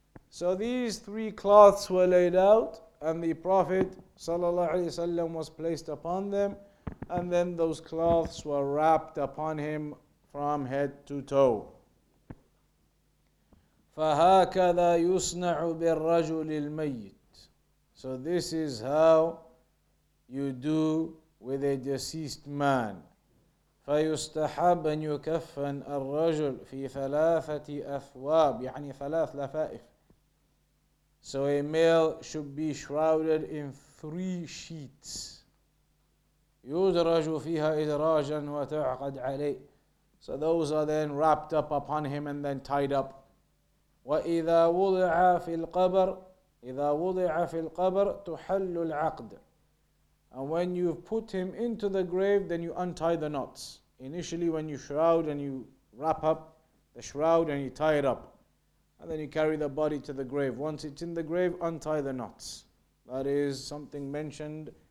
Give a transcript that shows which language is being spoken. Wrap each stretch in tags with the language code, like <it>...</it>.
<en>So these three cloths were laid out, and the Prophet ﷺ was placed upon them, and then those cloths were wrapped upon him from head to toe.</en> <ar>فَهَكَذَا يُصْنَعُ بِالرَّجُلِ الْمَيِّتِ.</ar> <en>So this is how you do with a deceased man.</en> <ar>فيستحب أن يكفن الرجل في ثلاثة أثواب يعني ثلاث لفائف.</ar> <en>So a male should be shrouded in three sheets.</en> <ar>يدرج فيها إدراجا وتعقد عليه.</ar> <en>So those are then wrapped up upon him and then tied up.</en> <ar>وإذا وضع في القبر تحل العقد.</ar> <en>And when you put him into the grave, then you untie the knots. Initially, when you shroud and you wrap up the shroud and you tie it up, and then you carry the body to the grave. Once it's in the grave, untie the knots. That is something mentioned.</en>